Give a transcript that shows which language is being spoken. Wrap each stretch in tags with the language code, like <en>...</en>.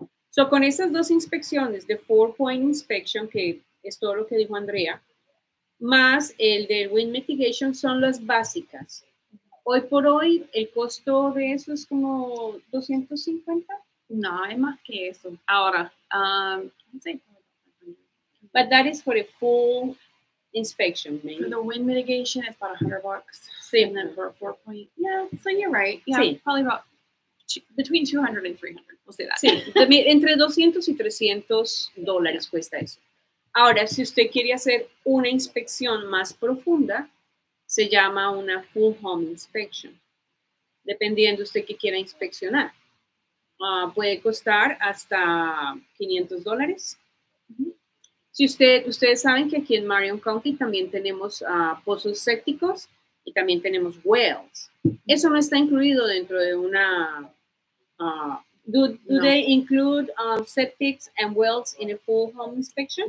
<es>So, con esas 2 inspecciones, de 4-point inspection, que es todo lo que dijo Andrea, más el de wind mitigation, son las básicas. Hoy por hoy, el costo de eso es como $250. No, hay más que eso. Ahora, sí.</es> <en>But that is for a full inspection, maybe. For the wind mitigation, it's about $100. Same then for a 4-point. Yeah, so you're right. Yeah,</en> <es>sí.</es> <en>Probably about between $200 and $300. We'll say that.</en> <es>Sí, entre $200 y $300 cuesta eso. Ahora, si usted quiere hacer una inspección más profunda, se llama una full home inspection, dependiendo usted qué quiera inspeccionar. Puede costar hasta $500. Si ustedes saben que aquí en Marion County también tenemos pozos sépticos y también tenemos wells. Eso no está incluido dentro de una...</es> <en>they include septics and wells in a full home inspection?</en>